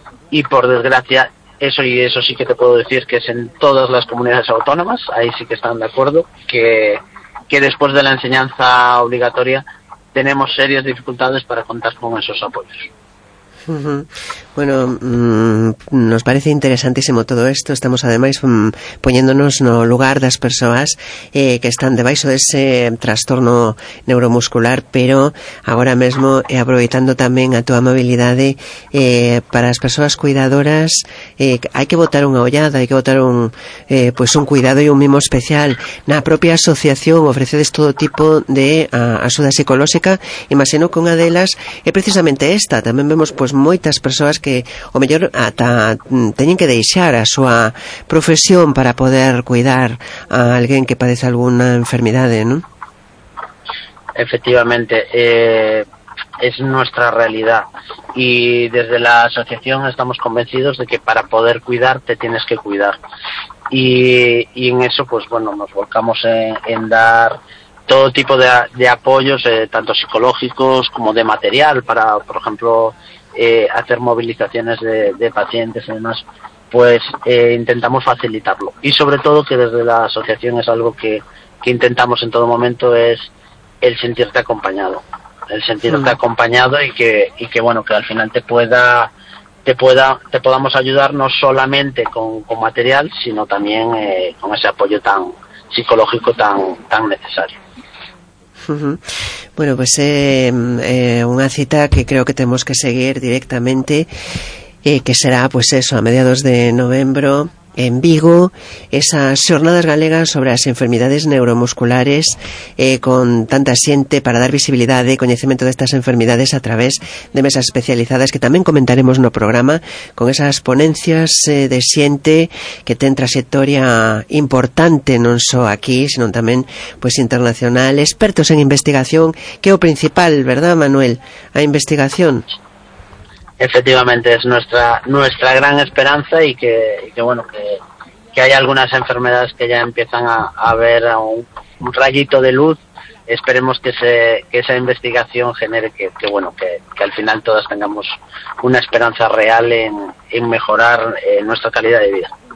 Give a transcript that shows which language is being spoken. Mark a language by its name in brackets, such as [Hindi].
[Spanish] Y por desgracia, eso sí que te puedo decir que es en todas las comunidades autónomas, ahí sí que están de acuerdo, que después de la enseñanza obligatoria tenemos serias dificultades para contar con esos apoyos. Bueno, nos parece interesantísimo todo esto. [Galician] Estamos ademais poñéndonos no lugar das persoas que están debaixo dese trastorno neuromuscular, pero agora mesmo aproveitando tamén a túa amabilidade para as persoas cuidadoras, hai que botar unha ollada, hai que botar un cuidado e un mimo especial. Na propia asociación ofrecedes todo tipo de axuda psicolóxica, e imagino que unha delas é precisamente esta. Tamén vemos pues moitas persoas que o mellor ata teñen que deixar a súa profesión para poder cuidar a alguén que padece alguna enfermidade, non? [Spanish] Efectivamente, es nuestra realidad, y desde la asociación estamos convencidos de que para poder cuidar te tienes que cuidar, y en eso pues bueno, nos volcamos en dar todo tipo de apoyos, tanto psicológicos como de material para, por ejemplo, hacer movilizaciones de pacientes y demás, pues intentamos facilitarlo. Y sobre todo, que desde la asociación es algo que intentamos en todo momento, es el sentirte acompañado. El sentirte sí. acompañado, y que bueno, que al final te podamos ayudar no solamente con material, sino también con ese apoyo tan psicológico, tan necesario. [Galician] Bueno, pues unha cita que creo que temos que seguir directamente, que será pues eso, a mediados de novembro en Vigo, esas xornadas galegas sobre as enfermidades neuromusculares, con tanta xente, para dar visibilidade e coñecemento destas enfermidades a través de mesas especializadas que tamén comentaremos no programa, con esas ponencias de xente que ten traxectoria importante, non só aquí, senón tamén pues internacional, expertos en investigación, que é o principal, ¿verdad, Manuel? A investigación. [Spanish] Efectivamente, es nuestra gran esperanza, y que bueno, que hay algunas enfermedades que ya empiezan a ver un rayito de luz. Esperemos que esa investigación genere que al final todas tengamos una esperanza real en mejorar nuestra calidad de vida.